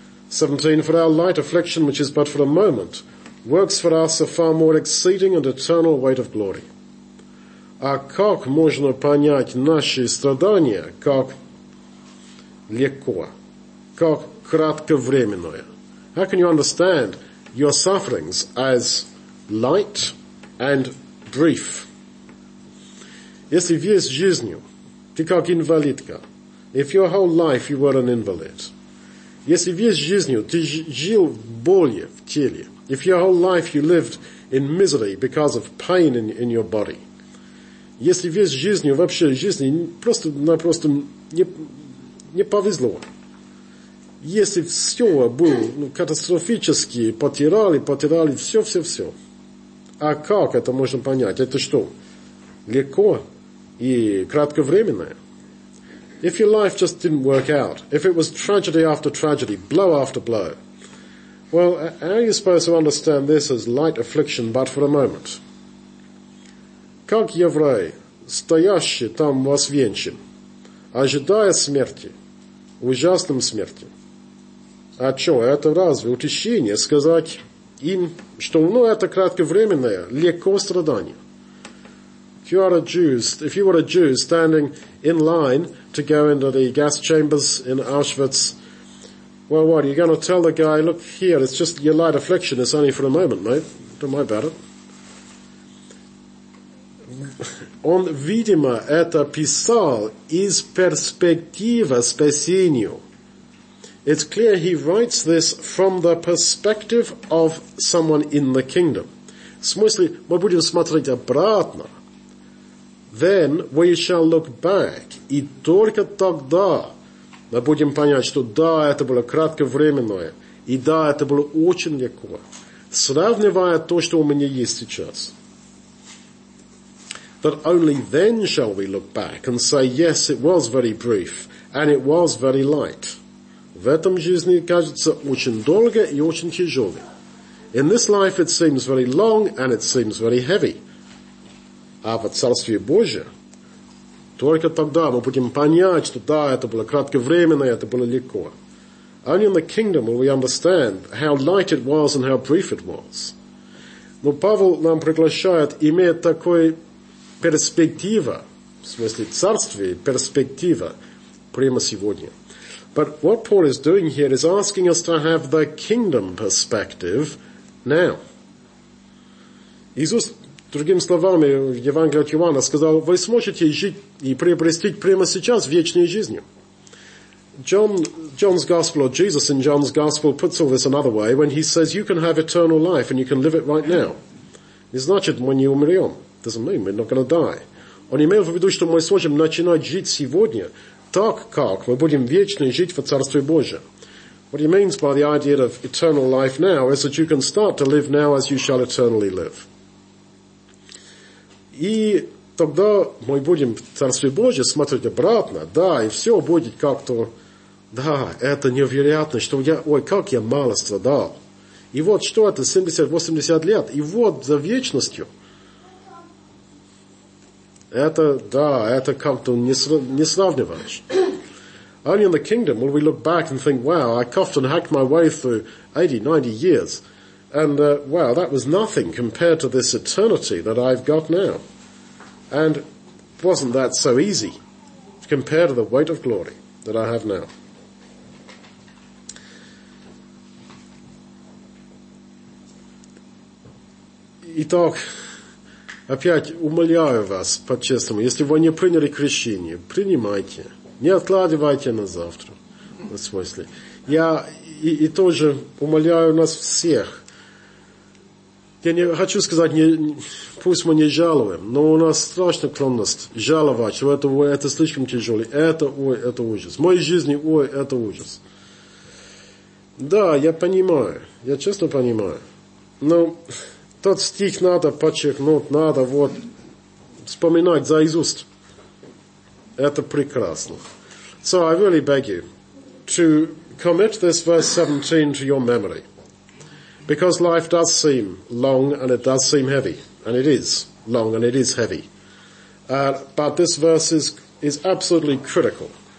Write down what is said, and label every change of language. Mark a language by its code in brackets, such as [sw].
[en] 17. For our light affliction, which is but for a moment, works for us a far more exceeding and eternal weight of glory. [ru] А как можно понять наши страдания, как легко, как кратковременное? [en] How can you understand your sufferings as light and brief? [ru] Если весь жизнь, ты как инвалидка, [en] if your whole life you were an invalid, [ru] если весь жизнь, ты жил в боли в теле, [en] if your whole life you lived in misery because of pain in your body, [ru] если весь жизнь, вообще жизнь, просто не повезло, если все было катастрофически, потеряли все. А как это можно понять? Это что, легко и кратковременное? [en] If your life just didn't work out, if it was tragedy after tragedy, blow after blow, well, how are you supposed to understand this as light affliction but for a moment? [ru] Как еврей, стоящий там в Освенчим, ожидая смерти, ужасной смерти, а что, это разве утешение сказать им, что это кратковременное, легко страдание? [en] If you are a Jew, if you were a Jew standing in line to go into the gas chambers in Auschwitz, well, what, are you going to tell the guy, look here, it's just your light affliction, it's only for a moment, mate, don't worry about it. [ru] Он, видимо, это писал из перспектива спасению. [en] It's clear he writes this from the perspective of someone in the kingdom. [ru] В смысле, мы будем смотреть обратно. [en] Then we shall look back. [ru] И только тогда мы будем понять, что да, это было кратковременное. И да, это было очень легко. Сравнивая то, что у меня есть сейчас. [en] That only then shall we look back and say, yes, it was very brief and it was very light. [ru] В этом жизни кажется очень долго и очень тяжело. [en] In this life it seems very long and it seems very heavy. [ru] А в Царстве Божьем только тогда мы будем понять, что да, это было кратковременно, это было легко. [en] Only in the kingdom will we understand how light it was and how brief it was. [ru] Но Павел нам приглашает иметь такую перспективу, в смысле Царствия, перспектива прямо сегодня. [en] But what Paul is doing here is asking us to have the kingdom perspective now. [ru] Иисус, другими словами, в Евангелии от Иоанна сказал, вы сможете жить и приобрести прямо сейчас вечную жизнь. [en] John's Gospel, or Jesus in John's Gospel, puts all this another way when he says you can have eternal life and you can live it right now. [ru] Не значит, мы не умрем. [en] Doesn't mean we're not going to die. [ru] Он имел в виду, что мы сможем начинать жить сегодня, так как мы будем вечно жить в Царстве Божьем. [en] What he means by the idea of eternal life now is that you can start to live now as you shall eternally live. [ru] И тогда мы будем в Царстве Божьем смотреть обратно, да, и все будет как-то, да, это невероятно, что я, ой, как я мало страдал. И вот что это, 70-80 лет, и вот за вечностью. Это, да, это как-то не сравниваешь. [en] Only in the kingdom will we look back and think, wow, I coughed and hacked my way through 80, 90 years. And wow, that was nothing compared to this eternity that I've got now. And wasn't that so easy compared to the weight of glory that I have now. [ru] Итак, опять умоляю вас по-честному, если вы не приняли крещение, принимайте. Не откладывайте на завтра, в смысле. Я и тоже умоляю нас всех. Я не хочу сказать, пусть мы не жалуем, но у нас страшная склонность жаловать, что это слишком тяжело, это ужас. В моей жизни, это ужас. Да, я понимаю, я честно понимаю. Но тот стих надо подчеркнуть, надо вот вспоминать за изуст. Это прекрасно. [en] So I really beg you to commit this verse 17 to your memory. Because life does seem long and it does seem heavy. And it is long and it is heavy. But this verse is absolutely critical.